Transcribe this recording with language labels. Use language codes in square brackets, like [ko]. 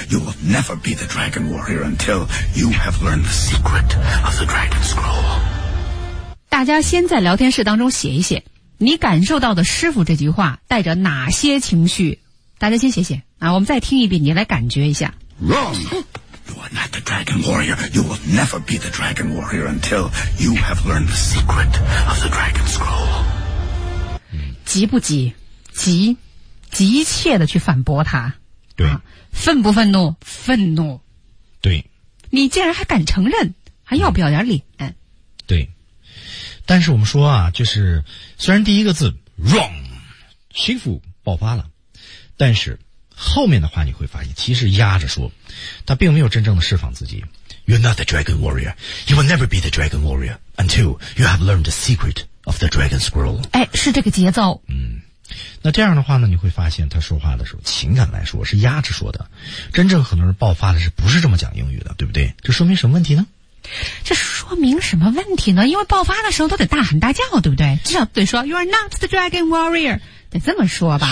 [en] You will never be the dragon warrior until you have learned the secret of the dragon scroll. [zh] 大家先在聊天室当中写一写，你感受到的师傅这句话带着哪些情绪？大家先写写啊，我们再听一遍，你来感觉一下。 [en] Wrong. You are not the dragon warrior. You will never be the dragon warrior until you have learned the secret of the dragon scroll. [zh] 急不急？急，急切地去反驳他。对、啊、愤不愤怒？愤怒。对，你竟然还敢承认，还要不要点脸、嗯、对，但是我们说啊，就是虽然第一个字 wrong 师傅爆发了，但是后面的话你会发现其实压着说，他并没有真正的释放自己。 [en] You're not the dragon warrior. You will never be the dragon warrior until you have learned the secret of the dragon scroll. [zh] 哎，是这个节奏。嗯，那这样的话呢，你会发现他说话的时候情感来说是压制说的，真正很多人爆发的是不是这么讲英语的，对不对？这说明什么问题呢？这说明什么问题呢？因为爆发的时候都得大喊大叫，对不对？至少得说 [en] You are not the dragon warrior， [zh] 得这么说吧。